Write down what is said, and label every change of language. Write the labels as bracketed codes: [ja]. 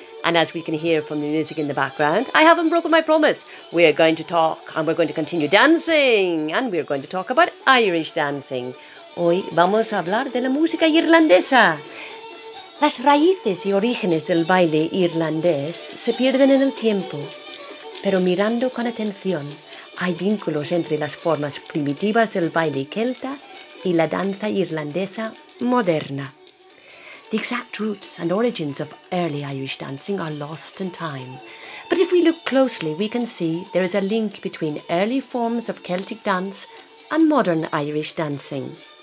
[en] And as we can hear from the music in the background, I haven't broken my promise. We are going to talk, and we're going to continue dancing, and we're going to talk about Irish dancing. [es] Hoy vamos a hablar de la música irlandesa. Las raíces y orígenes del baile irlandés se pierden en el tiempo, pero mirando con atención, hay vínculos entre las formas primitivas del baile celta y la danza irlandesa moderna. [en] The exact roots and origins of early Irish dancing are lost in time. But if we look closely, we can see there is a link between early forms of Celtic dance and modern Irish dancing.